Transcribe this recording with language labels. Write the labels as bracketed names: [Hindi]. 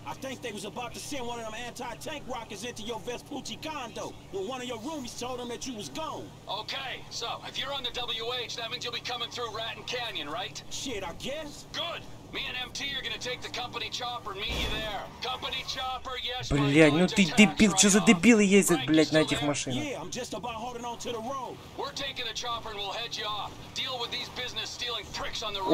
[English] I think they was about to send one of them anti-tank rockets into your Vespucci condo, when one of your roomies told them that you was gone. Okay, so, if you're on the WH, that means you'll be coming through Raton Canyon, right? Shit, I guess. Good. Me and MT are gonna take the company chopper and meet you there. Company chopper, yes, we're going to attack right off. [Russian] Блядь, ну ты дебил, чё за дебилы ездят, блядь, на этих машинах? [English] Yeah, I'm just about holding on to the road. We're taking the chopper and we'll head you off. Deal with these business stealing pricks on the road.